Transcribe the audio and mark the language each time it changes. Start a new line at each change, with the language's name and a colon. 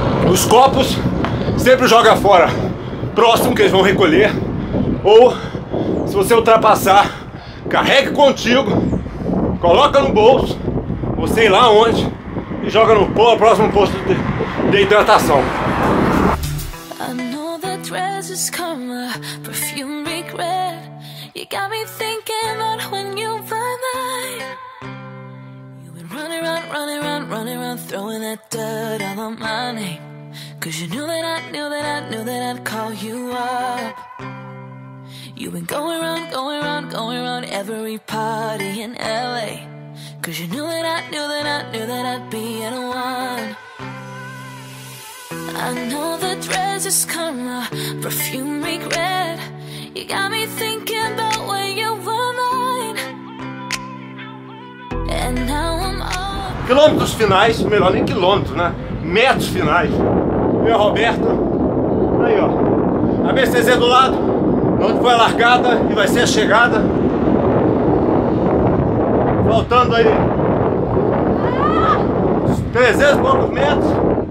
Portuguese: Os copos sempre joga fora. Próximo que eles vão recolher, ou se você ultrapassar, carregue contigo, coloca no bolso, ou sei lá onde, e joga no próximo posto de hidratação.
English: I know the dress is karma, perfume regret. You got me thinking on when you were mine. You been running around, running around, running around, throwing that dirt all on my name. Cause you knew that I knew that I knew that I'd call you up. You've been going around, going around, going around every party in LA. Cause you knew that I knew that I knew that I'd be at one. I know the dress is karma, perfume regret. You got me thinking about when you were mine. And now I'm all...
Portuguese: Quilômetros finais, melhor nem quilômetros, né? Metros finais. E a Roberta, aí ó, a BCZ do lado, onde foi a largada e vai ser a chegada. Faltando aí, 300 e poucos metros.